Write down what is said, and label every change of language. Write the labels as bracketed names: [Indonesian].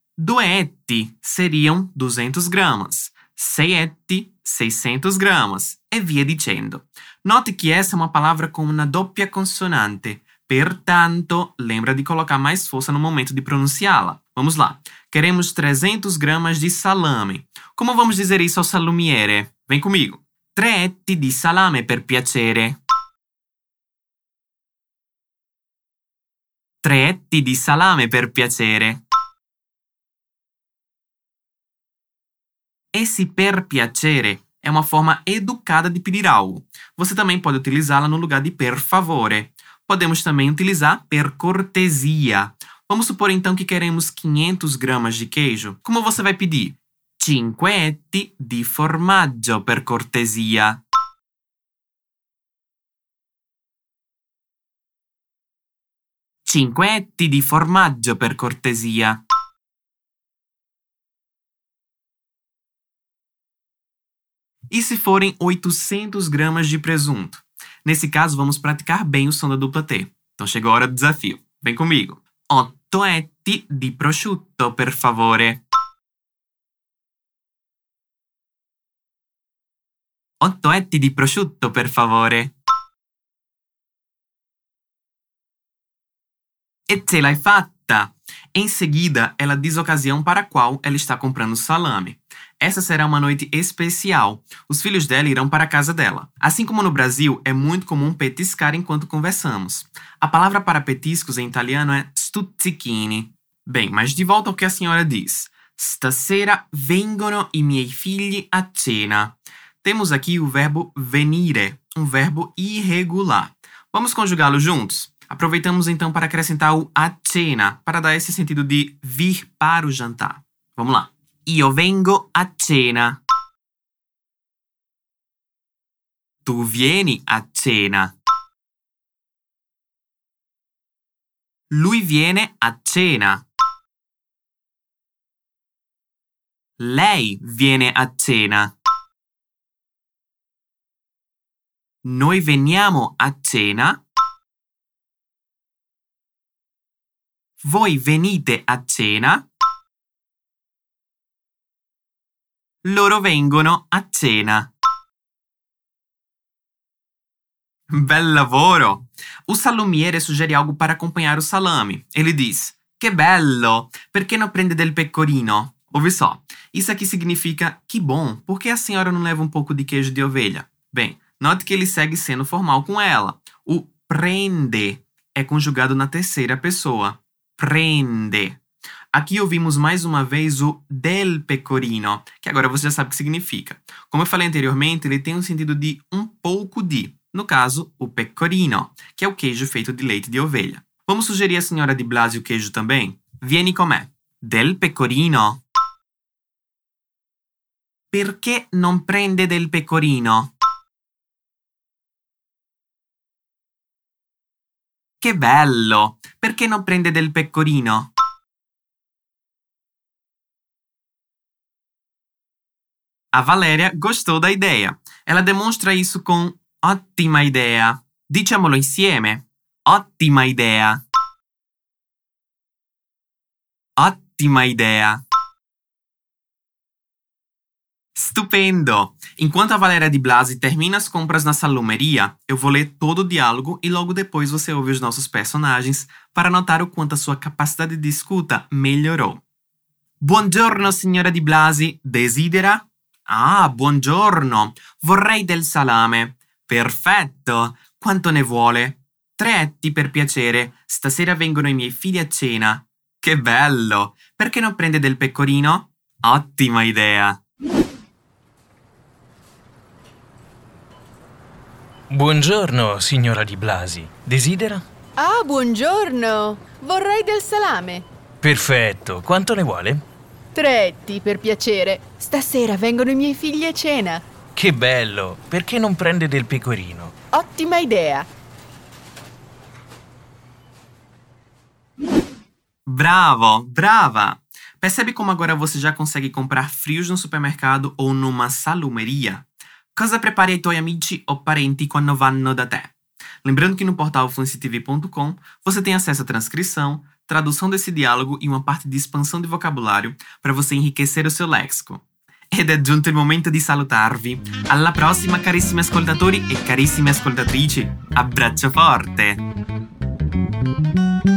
[Portuguese] 2 etti seriam 200 gramas. 6 etti, 600 gramas. [Italian] E via dicendo. [Portuguese] Note que essa é uma palavra com uma doppia consonante. Pertanto, lembra de colocar mais força no momento de pronunciá-la. Vamos lá. Queremos 300 gramas de salame. Como vamos dizer isso ao salumiere? Vem comigo. [Italian] 3 etti di salame, per piacere. 3 etti di salame, per piacere. [Portuguese] Esse per piacere é uma forma educada de pedir algo. Você também pode utilizá-la no lugar de per favore. Podemos também utilizar per cortesia. Vamos supor então que queremos 500 gramas de queijo. Como você vai pedir? [Italian] 5 etti di formaggio, per cortesia. 5 etti di formaggio, per cortesia. [Portuguese] E se forem 800 gramas de presunto? Nesse caso, vamos praticar bem o som da dupla T. Então, chegou a hora do desafio. Vem comigo. [Italian] 8 etti di prosciutto, per favore. 8 etti di prosciutto, per favore. E ce l'hai fatta! [Portuguese] Em seguida, ela diz a ocasião para a qual ela está comprando salame. Essa será uma noite especial. Os filhos dela irão para a casa dela. Assim como no Brasil, é muito comum petiscar enquanto conversamos. A palavra para petiscos em italiano é stuzzichini. Bem, mas de volta ao que a senhora diz. [Italian] Stasera vengono i miei figli a cena. [Portuguese] Temos aqui o verbo venire, um verbo irregular. Vamos conjugá-lo juntos? Aproveitamos então para acrescentar o a cena, para dar esse sentido de vir para o jantar. Vamos lá. [Italian] Io vengo a cena. Tu vieni a cena. Lui viene a cena. Lei viene a cena. Noi veniamo a cena. Voi venite a cena. Loro vengono a cena. Bel lavoro! O salumiere suggerì algo per accompagnare il salame. [Portuguese] Ele diz: [Italian] Che bello! Perché non prende del pecorino? [Portuguese] Ouve só, isso aqui significa que bom, por que a senhora não leva um pouco de queijo de ovelha? Bem, note que ele segue sendo formal com ela. O prende é conjugado na terceira pessoa. Prende. Aqui ouvimos mais uma vez o del pecorino, que agora você já sabe o que significa. Como eu falei anteriormente, ele tem um sentido de um pouco de, no caso, o pecorino, que é o queijo feito de leite de ovelha. Vamos sugerir à senhora de Blasi o queijo também? [Italian] Vieni com me. Del pecorino. Perché non prende del pecorino? Che bello! Perché non prende del pecorino? [Portuguese] A Valeria gostou da ideia. Ela demonstra isso com [Italian] ottima idea. Diciamolo insieme. Ottima idea. Ottima idea. Stupendo! [Portuguese] Enquanto a Valéria de Blasi termina as compras na salumeria, eu vou ler todo o diálogo e logo depois você ouve os nossos personagens para notar o quanto a sua capacidade de escuta melhorou. [Italian] Buongiorno, signora di Blasi. Desidera? Ah, buongiorno. Vorrei del salame. Perfetto. Quanto ne vuole? 3 etti, per piacere. Stasera vengono i miei figli a cena. Che bello! Perché non prende del pecorino? Ottima idea! Buongiorno, signora Di Blasi. Desidera? Ah, buongiorno. Vorrei del salame. Perfetto. Quanto ne vuole? 3 etti, per piacere. Stasera vengono i miei figli a cena. Che bello. Perché non prende del pecorino? Ottima idea. Bravo, brava. [Portuguese] Percebe come agora você já consegue comprar frios no supermercado ou numa salumeria? [Italian] Cosa prepari ai tuoi amici o parenti quando vanno da te? [Portuguese] Lembrando que no portal fluencytv.com você tem acesso à transcrição, tradução desse diálogo e uma parte de expansão de vocabulário para você enriquecer o seu léxico. [Italian] Ed è giunto il momento di salutarvi. Alla prossima, carissimi ascoltatori e carissime ascoltatrici. Abbraccio forte!